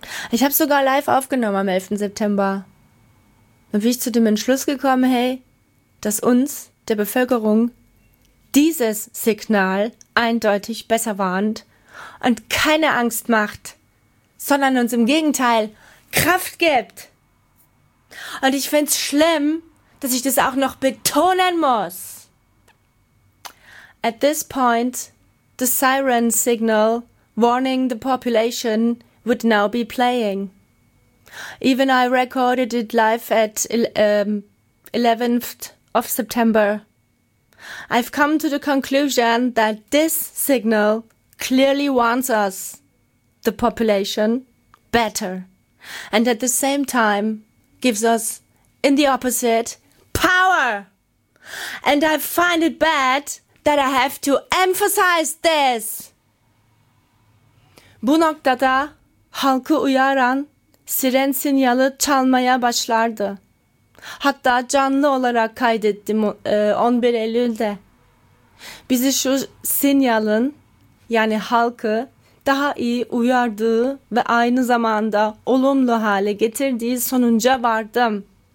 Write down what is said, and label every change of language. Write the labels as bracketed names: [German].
[German] Ich habe sogar live aufgenommen am 11. September. Dann bin ich zu dem Entschluss gekommen, hey, dass uns, der Bevölkerung, dieses Signal eindeutig besser warnt und keine Angst macht, sondern uns im Gegenteil Kraft gibt. Und ich find's schlimm, dass ich das auch noch betonen muss. [English] At this point, the siren signal warning the population would now be playing. Even I recorded it live at 11th of September. I've come to the conclusion that this signal clearly warns us, the population, better. And at the same time gives us, in the opposite, power. And I find it bad that I have to emphasize this. [Turkish] Bu noktada halkı uyaran siren sinyali çalmaya başlardı. Hatta canlı olarak kaydettim 11 Eylül'de. Bizi şu sinyalin, yani halkı, daha iyi uyardığı ve aynı zamanda olumlu hale getirdiği sonuca vardım.